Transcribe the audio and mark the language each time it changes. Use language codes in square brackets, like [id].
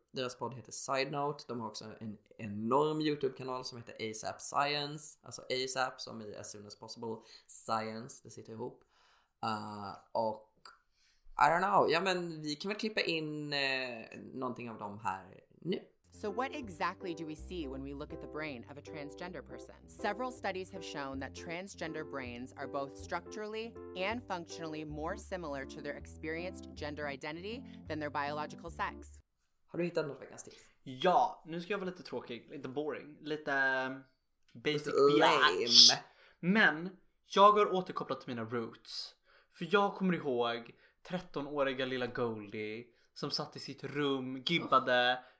[sv] Deras podd heter Side Note. De har också en enorm YouTube-kanal som heter ASAP Science. Alltså ASAP som i As Soon As Possible Science. Det sitter ihop. [en] Och I don't know. [sv] Ja, men vi kan väl klippa in någonting av dem här nu. [en] So what exactly do we see when we look at the brain of a transgender person? Several studies have shown that transgender brains are both structurally and functionally more similar to their experienced gender identity than their biological sex. [sv] Har du hittat något veckans tips? Ja, nu ska jag vara lite tråkig, lite boring, lite [en] basic lame. [sv] Men jag har återkopplat till mina roots. För jag kommer ihåg 13-åriga lilla Goldie som satt i sitt rum, gibbade... Oh.